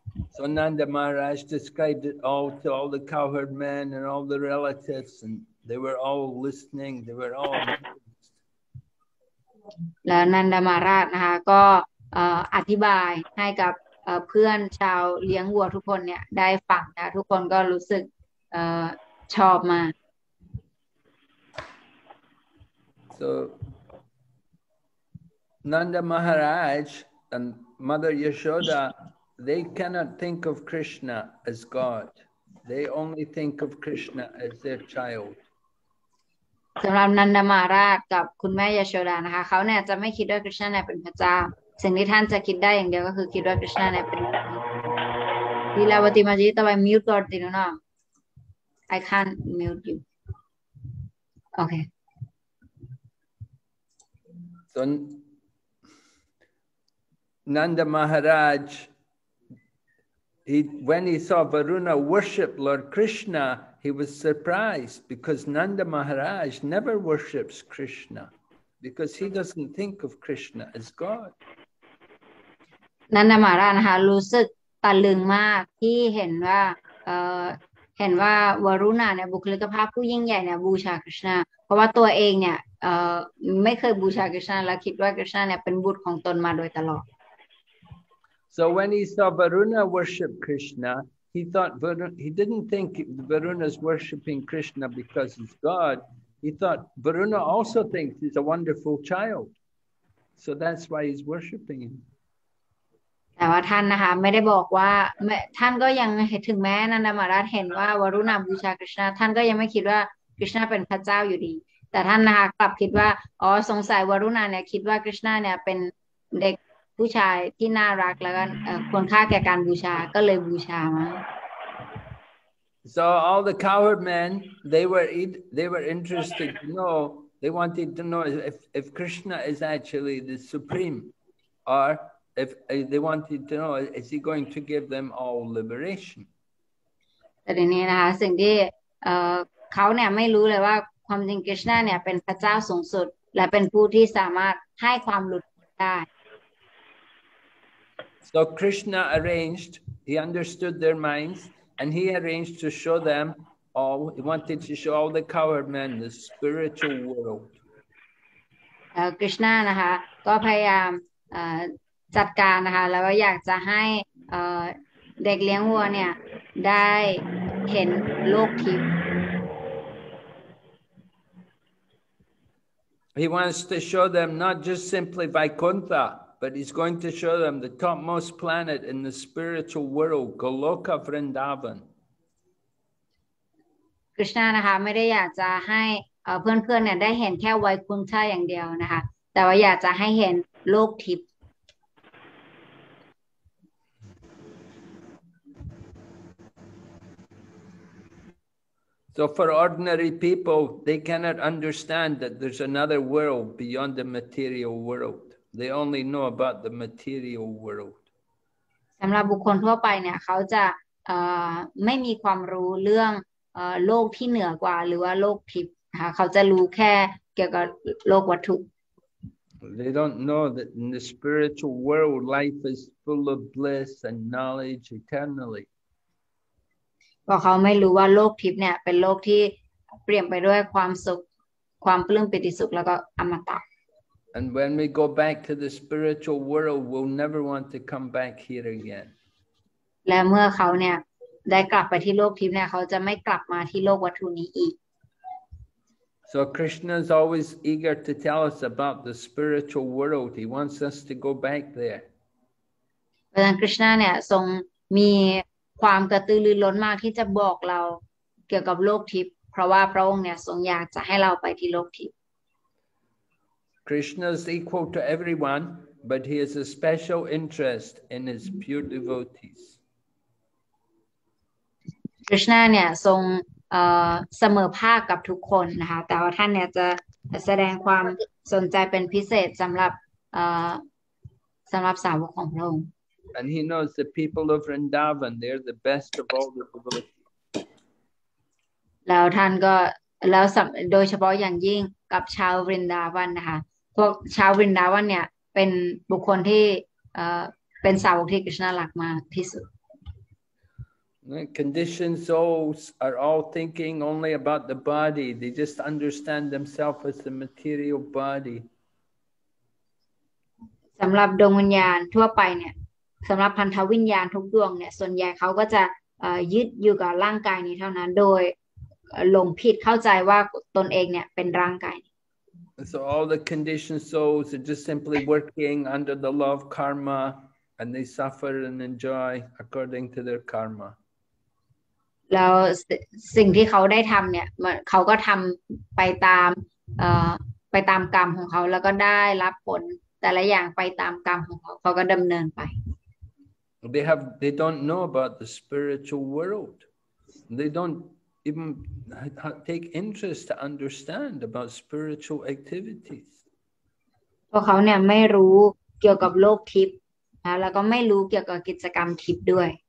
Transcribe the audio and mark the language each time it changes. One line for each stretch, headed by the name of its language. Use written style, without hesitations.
English: So Nanda Maharaj described it all to all the cowherd men and all the relatives, and they were all listening. They were all.
Thai: แล้ว Nanda Maharaj นะคะก็อธิบายให้กับเพื่อนชาวเลี้ยงวัวทุกคนเนี่ยได้ฟังนะทุกคนก็รู้สึกชอบมา
English: So Nanda Maharaj andMother Yashoda, they cannot think of Krishna as God. They only think of Krishna as their child.
Thai: สำหรับนันดามาราชกับคุณแม่ยาโชดานะคะเขาเนี่ยจะไม่คิดว่าคริชนาเนี่ยเป็นพระเจ้าสิ่งที่ท่านจะคิดได้อย่างเดียวก็คือคิดว่าคริชนาเนี่ยเป็นทีละวันทีมาจีตไปมิวต์ก่อนทีนู้นอ่ะ
English: I can't mute you. Okay. So Nanda Maharaj, when he saw Varuna worship Lord Krishna, he was surprised because Nanda Maharaj never worships Krishna because he doesn't think of Krishna as God.
Thai: นันดามาราชารู้สึกตะลึงมากที่เห็นว่าเห็นว่าวรุณาเนี่ยบุคลิกภาพผู้ยิ่งใหญ่เนี่ยบูชาคริชนาเพราะว่าตัวเองเนี่ยไม่เคยบูชาคริชนาและคิดว่าคริชนาเนี่ยเป็นบุตรของตนมาโดยตลอด
English: So when he saw Varuna worship Krishna, he thought he didn't think Varuna's worshiping Krishna because he's God. He thought Varuna also thinks he's a wonderful child. So that's why he's worshiping him.
Thai: แต่ว่าท่านนะคะไม่ได้บอกว่าท่านก็ยังถึงแม้นันดามาราชเห็นว่าวรุณาบูชาคริชนาท่านก็ยังไม่คิดว่าคริชนาเป็นพระเจ้าอยู่ดีแต่ท่านนะคะกลับคิดว่าอ๋อสงสัยวรุณาเนี่ยคิดว่าคริชนาเนี่ยเป็นเด็กผู้ชายที่น่ารักแล้วก็ควรค่าแก่การบูชาก็เลยบูชามา
English: So all the coward men they were interested to know they wanted to know if Krishna is actually the supreme orIf they wanted to know, is he going to give them all liberation?
Thai: แต่ในนี้นะคะสิ่งที่เขาเนี่ยไม่รู้เลยว่าความจริงคริชนาเนี่ยเป็นพระเจ้าสูงสุดและเป็นผู้ที่สามารถให้ความหลุดพ้นได้
English: So Krishna arranged, he understood their minds, and he arranged to show them all, he wanted to show all the coward men the spiritual world.
Thai: คริชนานะคะก็พยายามจัดการนะคะแล้วก็อยากจะให้เด็กเลี้ยงวัวเนี่ยได้เห็นโลกทิพย์
English: He wants to show them not just simply Vaikuntha but he's going to show them the topmost planet in the spiritual world Goloka Vrindavan
Thai: คริชนานะคะไม่ได้อยากจะให้เพื่อนๆ เนี่ยได้เห็นแค่ไวคุณธาอย่างเดียวนะคะแต่ว่าอยากจะให้เห็นโลกทิพย์
English: So for ordinary people, they cannot understand that there's another world beyond the material world. They only know about the material world.
Thai: สำหรับบุคคลทั่วไปเนี่ยเขาจะไม่มีความรู้เรื่องโลกที่เหนือกว่าหรือว่าโลกทิพย์เขาจะรู้แค่เกี่ยวกับโลกวัตถุ
English: They don't know that in the spiritual world, life is full of bliss and knowledge eternally.
Thai: เพราะเขาไม่รู้ว่าโลกทิพย์เนี่ยเป็นโลกที่เปลี่ยนไปด้วยความสุขความปลื้มปิติสุขแล้วก็อมตะ
English: And when we go back to the spiritual world we'll never want to come back here again
Thai: และเมื่อเขาเนี่ยได้กลับไปที่โลกทิพย์เนี่ยเขาจะไม่กลับมาที่โลกวัตถุนี้อีก
English: So Krishna is always eager to tell us about the spiritual world he wants us to go back there
Thai: เพราะฉะนั้นคริชนาเนี่ยทรงมีความกระตือรือร้นมากที่จะบอกเราเกี่ยวกับโลกทิพย์เพราะว่าพระองค์เนี่ยทรงอยากจะให้เราไปที่โลกทิพย์
English: Krishna is equal to everyone but he has a special interest in his pure devotees
Thai: Krishna เนี่ยทรงเสมอภาคกับทุกคนนะคะแต่ว่าท่านเนี่ยจะแสดงความสนใจเป็นพิเศษสำหรับสาวกของพระองค์
English: And he knows the people of Vrindavan, they're the best of all the devotees.
Thai: แล้วท่านก็แล้วโดยเฉพาะอย่างยิ่งกับชาววรินดาวันนะคะพวกชาววรินดาวันเนี่ยเป็นบุคคลที่เป็นสาวกที่คริชนารักมากที่สุด
English: Conditioned souls are all thinking only about the body. They just understand themselves as the material body.
Thai: สำหรับดวงวิญญาณทั่วไปเนี่ยสำหรับพันธวิญญาณทุกดวงเนี่ยส่วนใหญ่เขาก็จะยึดอยู่กับร่างกายนี้เท่านั้นโดยหลงผิดเข้าใจว่าตนเองเนี่ยเป็นร่างกาย
English: So all the conditioned souls are just simply working under the law of karma and they suffer and enjoy according to their karma
Thai: แล้วสิ่งที่เขาได้ทำเนี่ยเขาก็ทำไปตามกรรมของเขาแล้วก็ได้รับผลแต่ละอย่างไปตามกรรมของเขาเขาก็ดำเนินไป
English: They don't know about the spiritual world. They don't even take interest to understand about spiritual activities.
Thai: พวกเขาเนี่ยไม่รู้เกี่ยวกับโลกทิพย์นะแล้วก็ไม่รู้เกี่ยวกับกิจกรรมทิพย์ด้วย